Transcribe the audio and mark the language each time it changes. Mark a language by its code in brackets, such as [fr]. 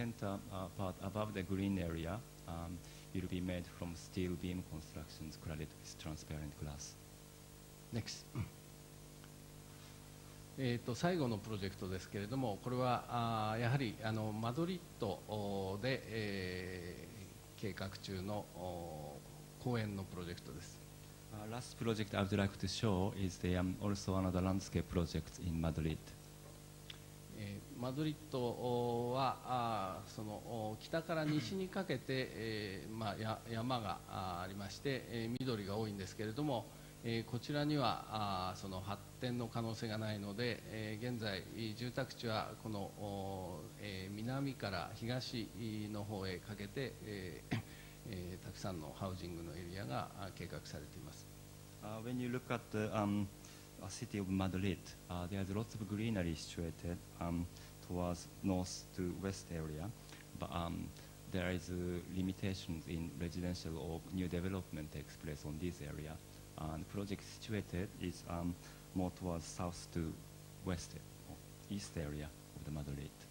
[en] Center part above the green area will be made from steel beam constructions cladded with transparent glass. Next. [ja] 最後のプロジェクトですけれども、これはやはりマドリッドで、計画中の公園のプロジェクトです。 [en] Last project I would like to show is the also another landscape project in Madrid. [ja] マドリッドはその北から西にかけて、まあ、山がありまして、緑が多いんですけれども、こちらにはその発展の可能性がないので、現在住宅地はこの南から東の方へかけて。たくさんのハウジングのエリアが計画されています。 [en] When you look at the city of Madrid, there's lots of greenery situated towards north to west area, but there is limitations in residential or new development takes place on this area, and project situated is more towards south to west or east area of the Madrid.